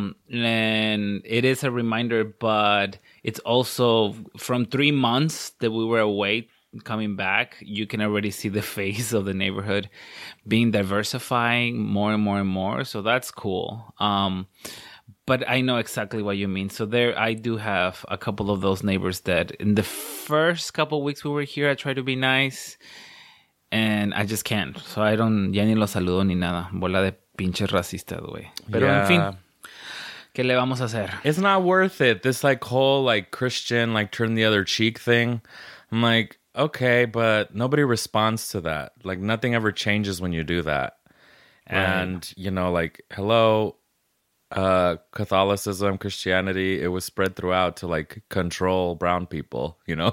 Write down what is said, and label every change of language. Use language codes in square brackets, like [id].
[en] And it is a reminder, but it's also from 3 months that we were away coming back, you can already see the face of the neighborhood being diversifying more and more and more. So that's cool. But I know exactly what you mean. So there, I do have a couple of those neighbors that in the first couple of weeks we were here, I tried to be nice and I just can't. So I don't, [es] ya ni lo saludo ni nada. Bola de pinche racista, güey. Pero yeah. En fin, ¿qué le vamos a hacer? [en] It's not worth it. This like whole like Christian, like turn the other cheek thing. I'm like, okay, but nobody responds to that. Like nothing ever changes when you do that. Right. And you know, like, hello, Catholicism, Christianity, it was spread throughout to like control brown people, you know?